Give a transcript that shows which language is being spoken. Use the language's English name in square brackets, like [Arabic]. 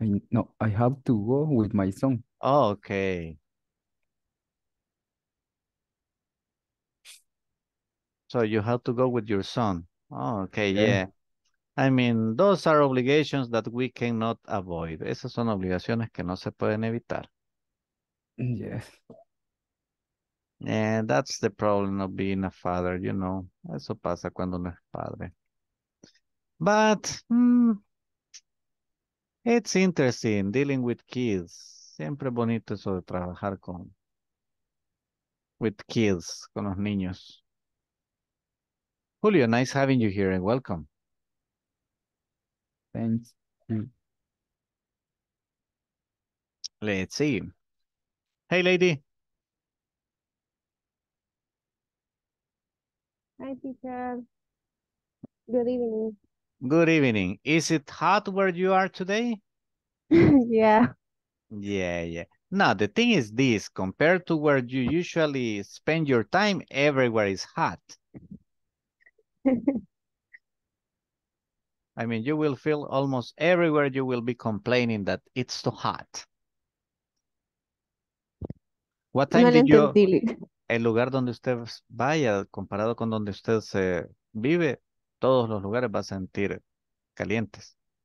[English] No, I have to go with my son. Okay. So you have to go with your son. Okay, yeah. I mean, those are obligations that we cannot avoid. [Spanish] Esas son obligaciones que no se pueden evitar. [English] Yes. Yeah, that's the problem of being a father, you know. [Spanish] Eso pasa cuando uno es padre. [English] But it's interesting dealing with kids. [Spanish] Siempre bonito eso de trabajar [English] with kids, [Spanish] con los niños. [English] Julio, nice having you here and welcome. Thanks. Let's see. Hey, lady. Hi, teacher. Good evening. Good evening. Is it hot where you are today? Yeah. Yeah, yeah. Now, the thing is this, compared to where you usually spend your time, everywhere is hot. I mean, you will feel almost everywhere you will be complaining that it's too hot. What time did you... [Spanish] El lugar donde usted vaya, comparado con donde usted se vive, todos los lugares va a sentir calientes.